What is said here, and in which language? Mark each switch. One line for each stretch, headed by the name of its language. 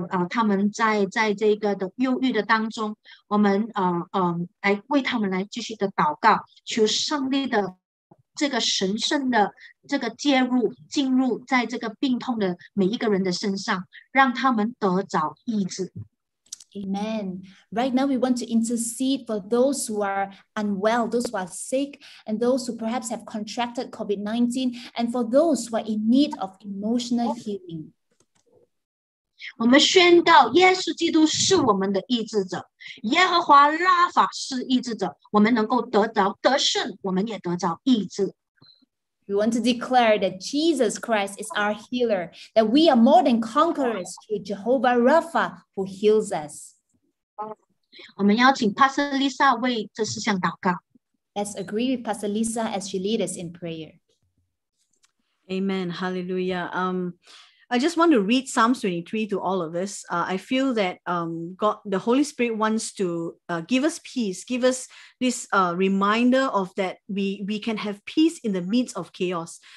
Chinese: 他们在这个的忧郁的当中，我们来为他们来继续的祷告，求上帝的这个神圣的这个介入进入在这个病痛的每一个人的身上，让他们得着医治。
English: Amen. Right now, we want to intercede for those who are unwell, those who are sick, and those who perhaps have contracted COVID-19, and for those who are in need of emotional healing.
Chinese: 我们宣告耶稣基督是我们的医治者，耶和华拉法是医治者，我们能够得着得胜，我们也得着医治。
English: We want to declare that Jesus Christ is our healer, that we are more than conquerors through Jehovah Rapha who heals us.
Chinese: 我们邀请 Pastor Lisa 为这事项祷告。
English: Let's agree with Pastor Lisa as she leads us in prayer. Amen. Hallelujah. I just want to read Psalms 23 to all of us. I feel that God, the Holy Spirit wants to give us peace, give us this reminder of that we can have peace in the midst of chaos.